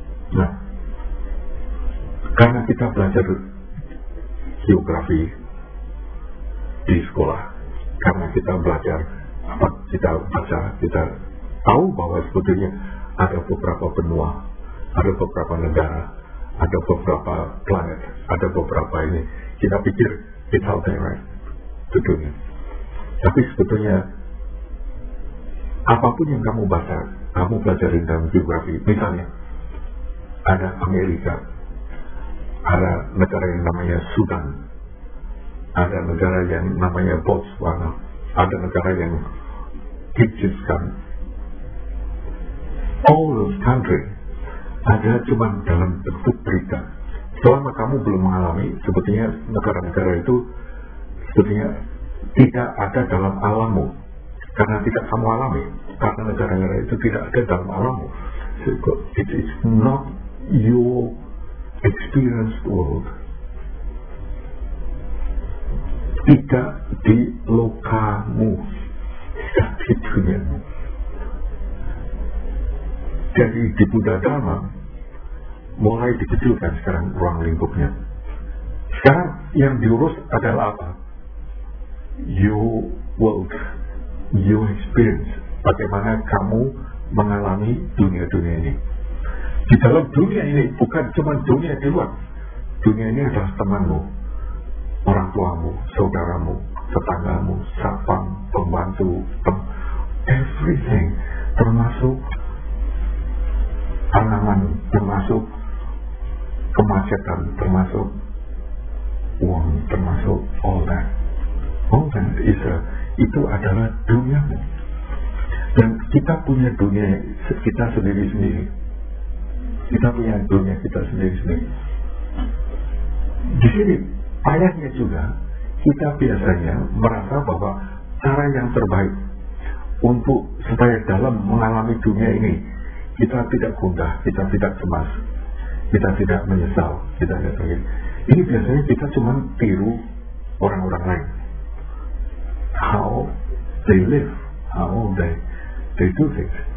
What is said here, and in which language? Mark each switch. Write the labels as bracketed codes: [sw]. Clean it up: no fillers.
[id] Nah, karena kita belajar geografi di sekolah, karena kita belajar apa kita baca, kita tahu bahwa sebetulnya ada beberapa benua, ada beberapa negara, ada beberapa planet, ada beberapa ini. Kita pikir [en] it's out there, right? [id] Itu dunia. Tapi sebetulnya apapun yang kamu baca, kamu belajar dalam geografi, misalnya ada Amerika, ada negara yang namanya Sudan, ada negara yang namanya Botswana, ada negara yang Kyrgyzstan. [en] All those countries [id] ada cuma dalam bentuk berita. Selama kamu belum mengalami, sebetulnya negara-negara itu sebetulnya tidak ada dalam alammu, karena tidak kamu alami, karena negara-negara itu tidak ada dalam alammu. [en] So, it is not your experienced world. [id] tidak di lokamu, tidak di duniamu. Jadi di Buddha Dharma mulai dikecilkan sekarang ruang lingkupnya. Sekarang yang diurus adalah apa? [en] Your world, your experience. [id] Bagaimana kamu mengalami dunia-dunia ini. Di dalam dunia ini bukan cuma dunia di luar. Dunia ini adalah temanmu, orang tuamu, saudaramu, tetanggamu, satpam, pembantu, everything, termasuk anangan, termasuk kemacetan, termasuk uang, termasuk [en] all that. All that is a, [id] itu adalah duniamu. Dan kita punya dunia kita sendiri-sendiri. Kita punya dunia kita sendiri-sendiri. Di sini, ayahnya juga, kita biasanya merasa bahwa cara yang terbaik untuk supaya dalam mengalami dunia ini, kita tidak gundah, kita tidak cemas, kita tidak menyesal, kita tidak sakit. Ini biasanya kita cuma tiru orang-orang lain. [en] How they live, how they do things.